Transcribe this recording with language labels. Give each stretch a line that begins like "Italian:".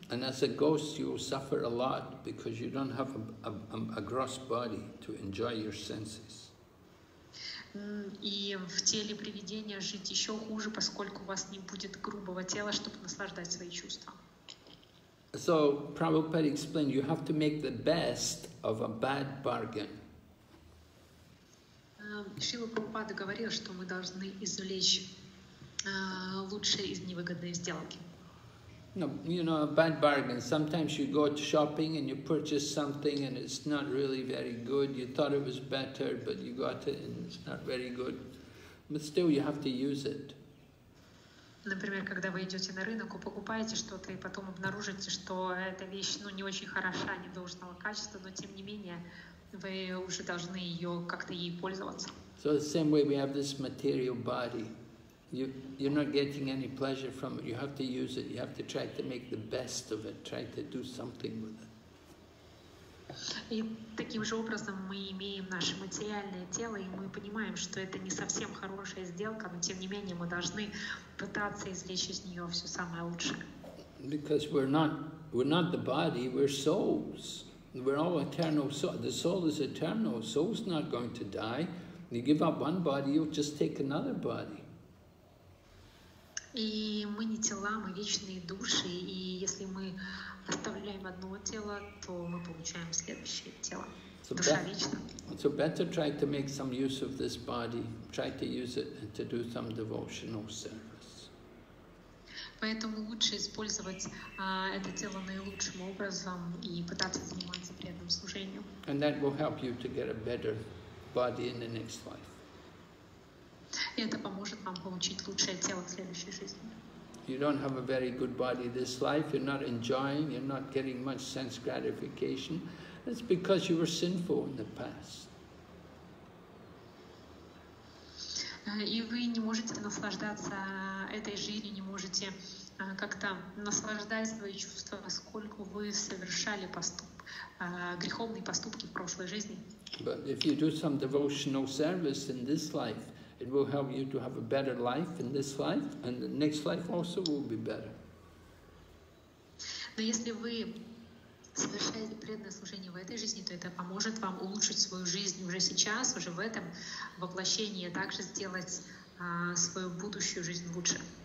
English: And as a ghost, you will suffer a lot because you don't have a gross body to enjoy your senses.
Russian: И в теле привидения жить еще хуже, поскольку у вас не будет грубого тела, чтобы наслаждать свои чувства.
English: So Prabhupada explained, you have to make the best of a bad bargain.
Russian: Шрила Прабхупада говорил, что мы должны извлечь лучшее из невыгодной сделки.
English: No, you know, a bad bargain. Sometimes you go to shopping and you purchase something and it's not really very good. You thought it was better, but you got it and it's not very good. But still, you have to use it.
Russian: Например, когда вы идете на рынок и покупаете что-то, и потом обнаружите, что эта вещь, ну, не очень хороша, не должного качества, но тем не менее вы уже должны ее как-то ей пользоваться.
English: So the same way we have this material body. You're not getting any pleasure from it. You have to use it. You have to try to make the best of it. Try to do something with it.
Russian: И таким же образом мы имеем наше материальное тело, и мы понимаем, что это не совсем хорошая сделка, но тем не менее мы должны пытаться извлечь из нее все самое лучшее.
English: Because we're not the body, we're souls. We're all eternal souls. The soul is eternal. Soul's not going to die. You give up one body, you'll just take another body.
Russian: И мы не тела, мы вечные души, и если мы оставляем одно тело, то мы получаем следующее тело.
English: So
Russian: душа вечна.
English: So better try to make some use of this body, try to use it and to do some devotional service.
Russian: Поэтому лучше использовать это тело наилучшим образом и пытаться заниматься преданным служением.
English: And that will help you to get a better body in the next life.
Russian: И это поможет вам получить лучшее тело в следующей жизни.
English: You don't have a very good body this life, you're not enjoying, you're not getting much sense gratification. It's because you were sinful in the past.
Russian: И вы не можете наслаждаться этой жизнью, не можете как-то наслаждать свои чувства, поскольку вы совершали греховные поступки в прошлой жизни.
English: But if you do some devotional service in this life, it will help you to have a better life in this life, and the next life also will be better.
Russian: Но если вы совершаете преданное служение в этой жизни, то это поможет вам улучшить свою жизнь уже сейчас, уже в этом воплощении, а также сделать свою будущую жизнь лучше.